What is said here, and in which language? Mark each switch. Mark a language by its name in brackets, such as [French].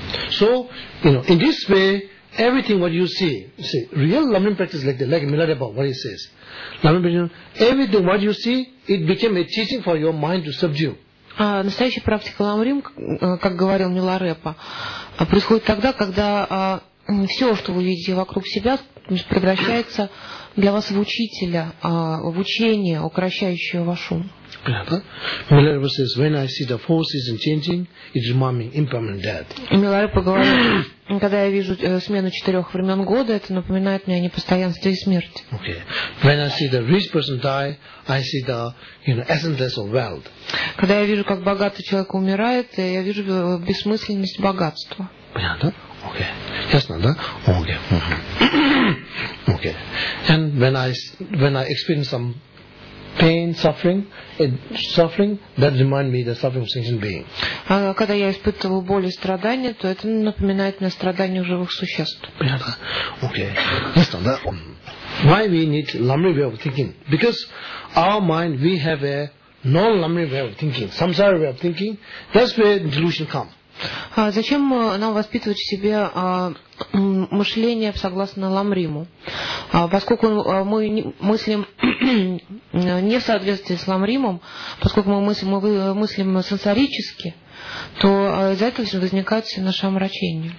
[English] So, you know, in this way, everything what you see, real learning practice like that, like Milarepa, what he says. Everything what you see, it became a teaching for your mind to subdue. [Russian] Настоящая практика Ламрим, как говорил Миларепа, происходит тогда, когда все, что вы видите вокруг себя, превращается для вас в учителя, в учение, укращающее ваш ум. [English] Миларепа says, when I see the four seasons changing, it's mommy, impermanent dad. [Russian] Миларепа говорит, когда я вижу смену четырех времен года, это напоминает мне о непостоянстве и смерти. [English] Okay. When I see the rich person die, I see the, you know, essenceless of wealth. [Russian] Когда я вижу, как богатый человек умирает, я вижу бессмысленность богатства. Понятно? Okay. Ясно, да? Okay. Mm-hmm. Okay. [English] And when I experience some pain, suffering, that reminds me the suffering of sentient being. [Russian] Когда я испытываю боль и страдания, то это напоминает мне страдания живых существ. Понятно? [English] Okay. [Russian] Ясно, да? [English] Why we need Lamrim way of thinking? Because our mind, we have a non-Lamrim way of thinking, samsara way of thinking, that's where delusion comes. [Russian] Зачем нам воспитывать в себе мышление согласно Ламриму? Поскольку мы мыслим не в соответствии с Ламримом, поскольку мы мыслим сансарически, то из-за этого возникает все наше омрачение.